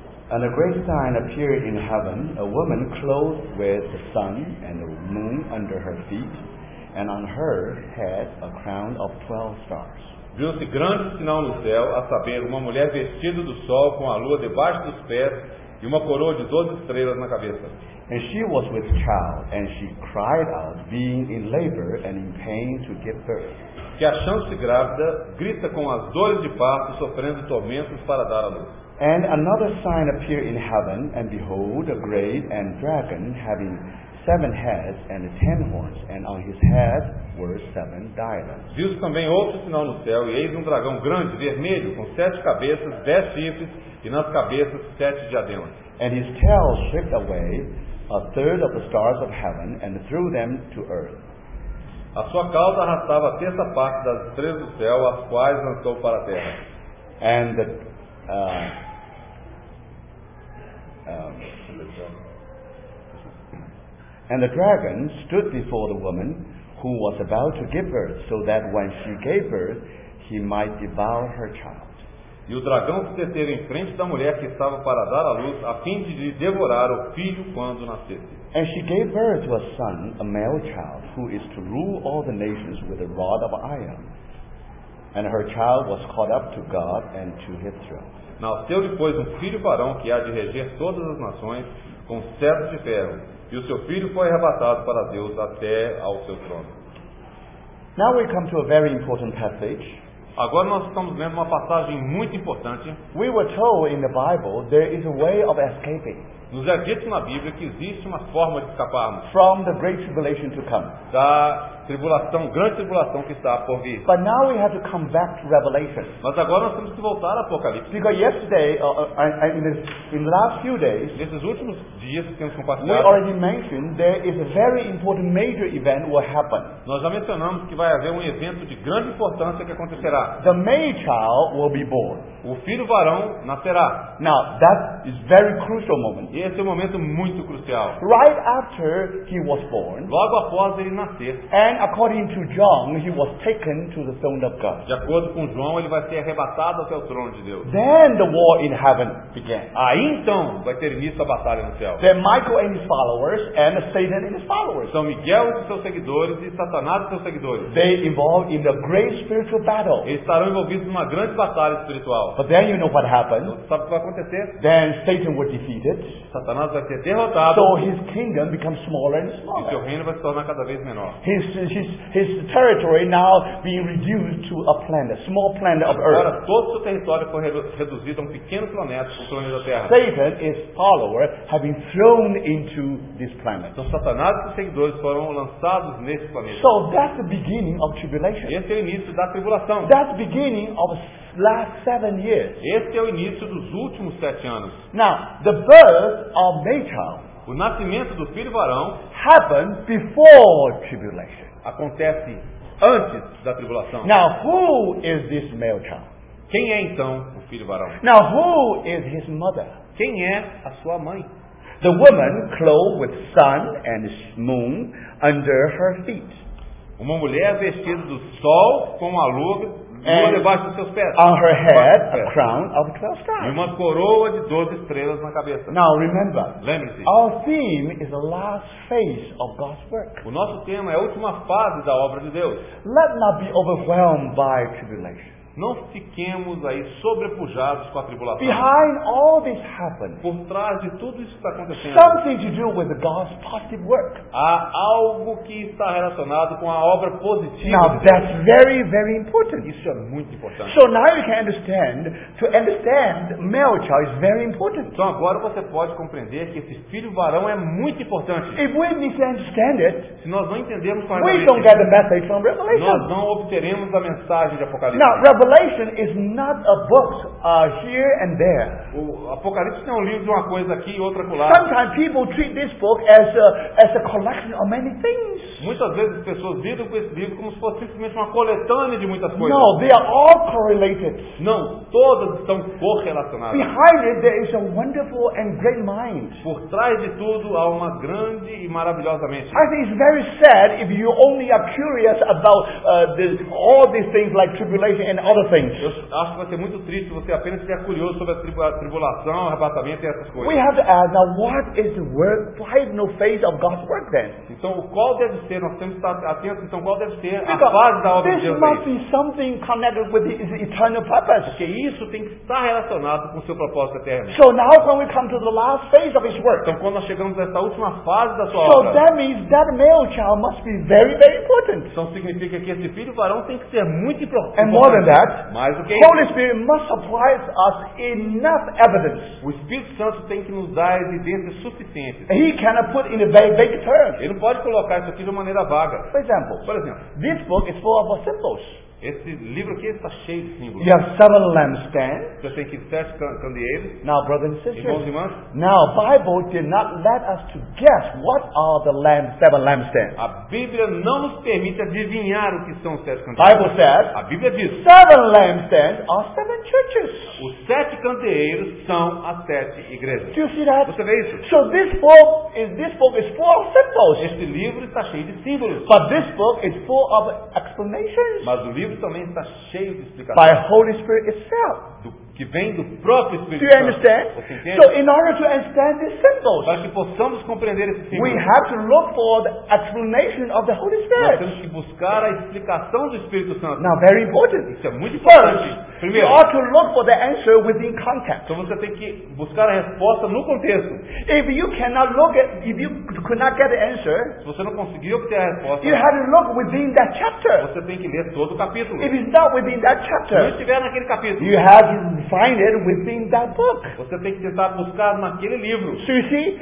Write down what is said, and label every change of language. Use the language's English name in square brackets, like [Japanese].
[English] And a great sign appeared in heaven, a woman clothed with the sun and the moon under her feet, and on her head a crown of 12 stars. [Portuguese] Viu-se grande sinal no céu, a saber, uma mulher vestida do sol com a lua debaixo dos pés e uma coroa de 12 estrelas na cabeça. [English] And she was with child, and she cried out, being in labor and in pain to give birth. [Portuguese] Que achando-se grávida, grita com as dores de parto, sofrendo tormentos para dar à luz. [English] And another sign appeared in heaven, and behold, a great and dragon having 7 heads and 10 horns, and on his head were 7 diadems. [Portuguese] Viu-se também outro sinal no céu, e eis dragão grande, vermelho, com 7 cabeças, 10 chifres, e nas cabeças 7 diademas. [English] And his tail stripped away a third of the stars of heaven and threw them to earth. [Portuguese] A sua cauda arrastava a terça parte das estrelas do céu, as quais lançou para a terra. [English] And the and the dragon stood before the woman who was about to give birth, so that when she gave birth, he might devour her child. [Portuguese] E o dragão se deteve em frente da mulher que estava para dar à luz, a fim de lhe devorar o filho quando nascesse. [English] And she gave birth to a son, a male child, who is to rule all the nations with a rod of iron. And her child was caught up to God and to his throne. [Portuguese] Nasceu depois um filho varão que há de reger todas as nações com cetro de ferro. E o seu filho foi arrebatado para Deus até ao seu trono. [English] Now we come to a very important passage. [Portuguese] Agora nós estamos lendo uma passagem muito importante. [English] We were told in the Bible there is a way of escaping. [Portuguese] Nos é dito na Bíblia que existe uma forma de escaparmos. [English] From the great tribulation to come. [Portuguese] Da tribulação, grande tribulação que está por vir. [English] But now we have to come back to Revelation. [Portuguese] Mas agora nós temos que voltar ao Apocalipse. [English] Because yesterday, in the last few days, [Portuguese] nesses últimos dias que temos compartilhado, [English] we already mentioned there is a very important major event will happen. [Portuguese] Nós já mencionamos que vai haver um evento de grande importância que acontecerá. [English] The male child will be born. [Portuguese] O filho varão nascerá. [English] Now that is very crucial moment. [Portuguese] E esse é um momento muito crucial. [English] Right after he was born. [Portuguese] Logo após ele nascer. [English] And according to John, he was taken to the throne of God. [Portuguese] De acordo com João, ele vai ser arrebatado até o trono de Deus. [English] Then the war in heaven began. [Portuguese] Aí então vai ter início a batalha no céu. [English] Then Michael and his followers and Satan and his followers. [Portuguese] São Miguel e seus seguidores e Satanás e seus seguidores. [English] They involved in the great spiritual battle. [Portuguese] Eles estarão envolvidos numa grande batalha espiritual. [English] But then you know what happened? [Portuguese] Então, sabe o que vai acontecer? [English] Then Satan was defeated. [Portuguese] Satanás vai ser derrotado. [English] So his kingdom becomes smaller and smaller. [Portuguese] E seu reino vai se tornar cada vez menor. [English] His territory now being reduced to a planet, a small planet of earth. [Portuguese] Agora todo seu território foi reduzido a um pequeno planeta, o planeta da Terra. [English] Satan and his followers have been thrown into this planet. [Portuguese] Então Satanás e seus seguidores foram lançados nesse planeta. [English] So that's the beginning of tribulation. [Portuguese] Esse é o início da tribulação. [English] That's the beginning of last 7 years. [Portuguese] Esse é o início dos últimos 7 anos. [English] Now the birth of Michal. [Portuguese] O nascimento do filho varão [English] happened before tribulation. [Portuguese] Acontece antes da tribulação. [English] Now who is this male child? [Portuguese] Quem é então o filho varão? [English] Now who is his mother? [Portuguese] Quem é a sua mãe? [English] The woman clothed with sun and moon under her feet. [Portuguese] Uma mulher vestida do sol com a lua. [English] And on her head a crown of 12 stars. [Portuguese] E uma coroa de 12 estrelas na cabeça. [English] Now remember, [Portuguese] lembre-se, [English] our theme is the last phase of God's work. [Portuguese] O nosso tema é a última fase da obra de Deus. [English] Let not be overwhelmed by tribulation. [Portuguese] Não fiquemos aí sobrepujados com a tribulação. [English] Behind all this happened, [Portuguese] por trás de tudo isso que está acontecendo, [English] something to do with God's positive work. [Portuguese] Há algo que está relacionado com a obra positiva. [English] Now that's very, very important. [Portuguese] Isso é muito importante. [English] So now you can understand to understand male child is very important. [Portuguese] Então agora você pode compreender que esse filho varão é muito importante. [English] If we misunderstand it, [Portuguese] se nós não entendermos [English] we don't get the message from Revelation. [Portuguese] Nós não obteremos a mensagem de Apocalipse. [English] Now, Revelation is not a book here and there. [Portuguese] O Apocalipse não é um livro de uma coisa aqui e outra acolá. [English] Sometimes people treat this book as a collection of many things. [Portuguese] Muitas vezes as pessoas lidam com esse livro como se fosse simplesmente uma coletânea de muitas coisas. [English] No, they are all correlated. [Portuguese] Não, todas estão correlacionadas. [English] Behind it, there is a wonderful and great mind. [Portuguese] Por trás de tudo há uma grande e maravilhosa mente. [English] I think it's very sad if you only are curious about all these things like tribulation and other things. [Portuguese] Eu acho que vai ser muito triste se você apenas ficar curioso sobre a tribulação, o arrebatamento e essas coisas. [English] We have to ask, now what is the work? Why is no phase of God's work then? [Portuguese] Então, qual deve ser? Nós temos que estar atentos. Então, qual deve ser a fase da obra de Deus? [English] This must be something connected with His eternal purpose. [Portuguese] Porque isso tem que estar relacionado com o seu propósito eterno. [English] So now, when we come to the last phase of His work. [Portuguese] Então, quando nós chegamos nessa última fase da sua obra. [English] So that means that male child must be very, very important. [Portuguese] Então, significa que esse filho varão tem que ser muito importante. [English] And more than that, [Portuguese] mais do que [English] Holy [Portuguese] isso. [English] Spirit must supply us enough evidence. [Portuguese] O Espírito Santo tem que nos dar evidências suficientes. [English] He cannot put in a very vague term. [Portuguese] Ele não pode colocar isso aqui de maneira vaga. [English] For example, this book is full of symbols. [Portuguese] Esse livro aqui está cheio de símbolos. [English] You have seven lampstands. [Portuguese] Você tem que sete candeeiros. [English] Now, brothers and sisters, [Portuguese] irmãos e irmãs, [English] now Bible did not let us to guess what are the seven lampstands. [Portuguese] A Bíblia não nos permite adivinhar o que são os sete candeeiros. [English] Bible says, [Portuguese] a Bíblia diz, [English] seven lampstands are seven churches. [Portuguese] Os sete candeeiros são as sete igrejas. [English] Do you see that? [Portuguese] Você vê isso? [English] So this book is full of symbols. [Portuguese] Este livro está cheio de símbolos. [English] But this book is full of explanations. [Portuguese] Mas o livro também está cheio de explicações. [English] By Holy Spirit itself. [Portuguese] Que vem do próprio Espírito [English] Santo. Do you understand? [Portuguese] Você [English] so in order to understand these symbols, [Portuguese] para que possamos compreender esses símbolos, [English] we have to look for the explanation of the Holy Spirit. [Portuguese] Nós temos que buscar a explicação do Espírito Santo. [English] Now, very important. [Portuguese] Isso é muito importante. Primeiro, [English] you ought to look for the answer within context. [Portuguese] Então você tem que buscar a resposta no contexto. [English] If you cannot look at, if you could not get the answer, [Portuguese] se você não conseguiu obter a resposta, [English] you have to look within that chapter. [Portuguese] Você tem que ler todo o capítulo. [English] If it's not within that chapter, [Portuguese] se não estiver naquele capítulo, [English] you have to find it within that book. [Portuguese] Você tem que tentar buscar naquele livro. [English] So you see,